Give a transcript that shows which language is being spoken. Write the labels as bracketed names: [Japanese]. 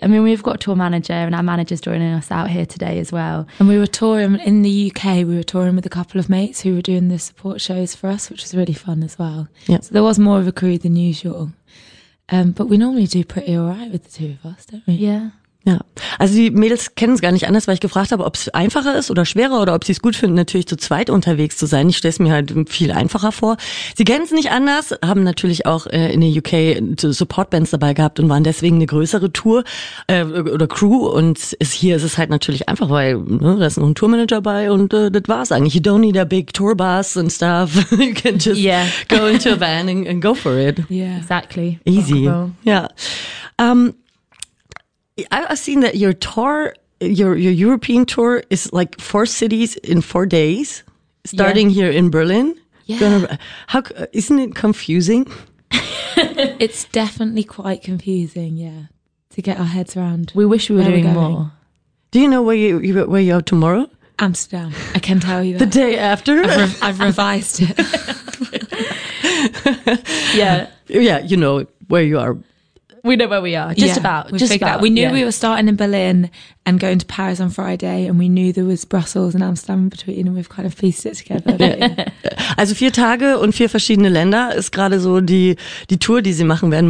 [English] I mean, we've got a tour manager, and our manager's joining us out here today as well. And we were touring in the UK. We were touring with a couple of mates who were doing the support shows for us, which was really fun as well. Yep. So there was more of a crew than usual. But we normally do pretty all right with the two of us, don't we? Yeah. [German] Ja, also die Mädels kennen es gar nicht anders, weil ich gefragt habe, ob es einfacher ist oder schwerer oder ob sie es gut finden, natürlich zu zweit unterwegs zu sein. Ich stelle es mir halt viel einfacher vor. Sie kennen es nicht anders, haben natürlich auch in der UK Supportbands dabei gehabt und waren deswegen eine größere Tour oder Crew. Und hier ist es halt natürlich einfach, weil da ist noch ein Tourmanager bei und das war's eigentlich. [English] You don't need a big tour bus and stuff. You can just go into a van and go for it. Yeah, exactly. Easy. Ja. I've seen that your tour, your European tour is like 4 cities in 4 days, starting here in Berlin. Yeah. How, isn't it confusing? It's definitely quite confusing, yeah, to get our heads around. We wish we were doing more. Do you know where you are tomorrow? Amsterdam. I can tell you that. The day after? I've revised it. Yeah, you know where you are. We know where we are. We knew we were starting in Berlin and going to Paris on Friday, and we knew there was Brussels and Amsterdam between, and we've kind of pieced it together. [German] Also 4 Tage und 4 verschiedene Länder ist gerade so die Tour, die sie machen werden.